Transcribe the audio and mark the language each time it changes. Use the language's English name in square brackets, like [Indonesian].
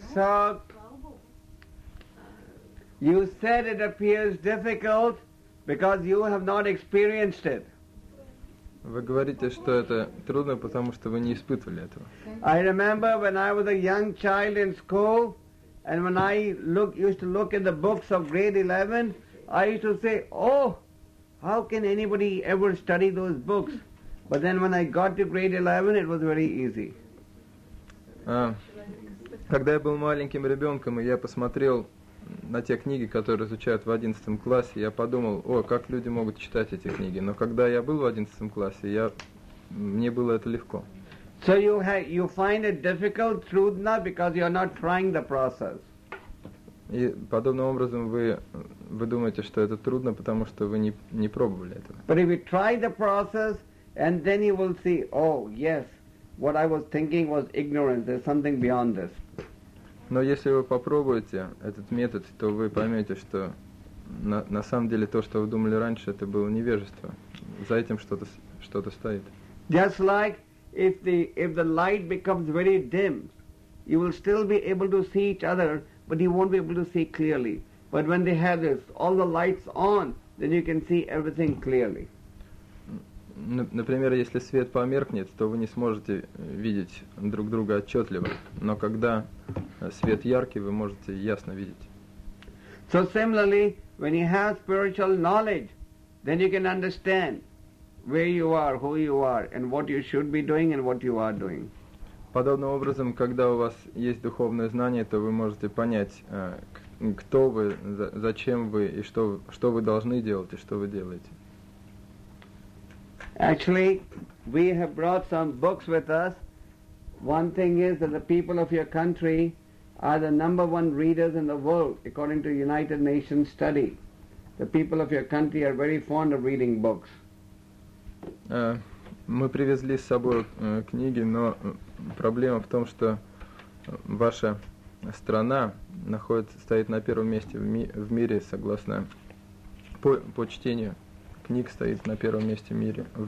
[English] So, you said it appears difficult because you have not experienced it. [Russian] Вы говорите, что это трудно, потому что вы не испытывали этого. [English] I remember when I was a young child in school, and when I used to look at the books of grade 11, I used to say, oh, how can anybody ever study those books? But then when I got to grade 11, it was very easy. [Russian] Когда я был маленьким ребенком, и я посмотрел на те книги, которые изучают в 11 классе, я подумал, о, как люди могут читать эти книги. Но когда я был в 11 классе, мне было это легко. [English] So you find it difficult, [Russian] трудно, [English] because you're not trying the process. [Russian] И подобным образом вы думаете, что это трудно, потому что вы не пробовали этого. [English] But if you try the process, and then you will see, oh, yes, what I was thinking was ignorance. There's something beyond this. [Russian] Но если вы попробуете этот метод, то вы поймете, что на самом деле то, что вы думали раньше, это было невежество. За этим что-то стоит. [English] Just like if the light becomes very dim, you will still be able to see each other, but you won't be able to see clearly. But when they have this, all the lights on, then you can see everything clearly. [Russian] Например, если свет померкнет, то вы не сможете видеть друг друга отчетливо. Но когда свет яркий, вы можете ясно видеть. [English] So similarly, when you have spiritual knowledge, then you can understand where you are, who you are, and what you should be doing and what you are doing. [Russian] Подобным образом, когда у вас есть духовное знание, то вы можете понять, кто вы, зачем вы и что вы должны делать и что вы делаете. [English] Actually, we have brought some books with us. One thing is that the people of your country are the number one readers in the world, according to United Nations study. The people of your country are very fond of reading books. [Russian] Мы привезли с собой книги, но проблема в том, что ваша страна стоит на первом месте в мире, согласно по чтению. Книг стоит на первом месте в мире.